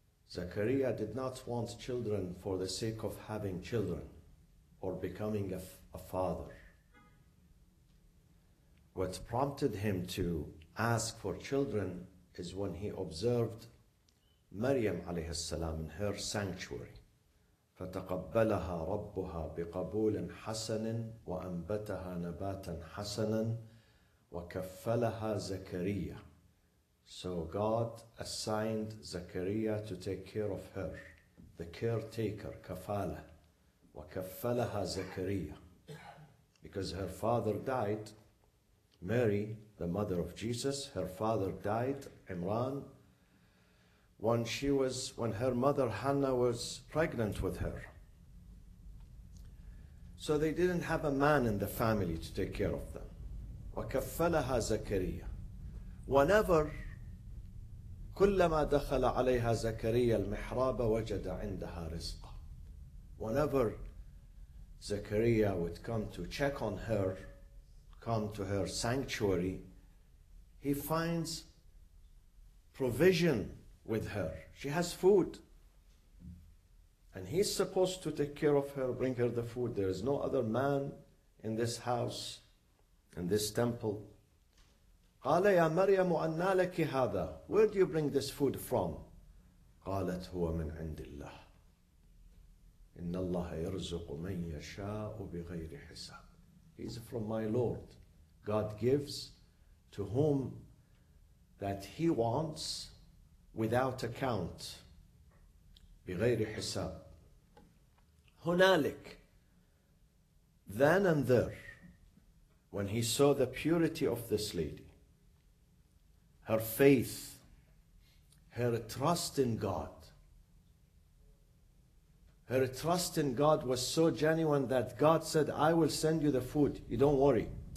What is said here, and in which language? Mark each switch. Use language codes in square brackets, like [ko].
[en] Zechariah did not want children for the sake of having children or becoming a father. What prompted him to ask for children is when he observed Maryam عليه السلام in her sanctuary. [ar] فتقبلها ربها بقبول حسن وأنبتها نباتا حسنا وكفلها زكريا. [en] So God assigned Zakaria to take care of her, the caretaker, kafala. [ar] وكفلها زكريا. [en] Because her father died, Mary, the mother of Jesus, her father died, Imran, when her mother Hannah was pregnant with her. So they didn't have a man in the family to take care of them. [ar] وكفلها زكريا. [en] Whenever [ar] كلما دخل عليها زكريا المحراب وجد عندها رزقا. [en] Whenever Zechariah would come to check on her, come to her sanctuary, he finds provision with her. She has food. And he's supposed to take care of her, bring her the food. There is no other man in this house, in this temple. [ar] قال يا مريم أنى لك هذا. [en] Where do you bring this food from? [ar] قالت هو من عند الله. إن الله يرزق من يشاء بغير حساب. [en] He's from my Lord. God gives to whom that he wants without account. [ar] بغير حساب. هنالك. [en] Then and there, when he saw the purity of this lady, her faith, her trust in God, her trust in God was so genuine that God said, I will send you the food. You don't worry.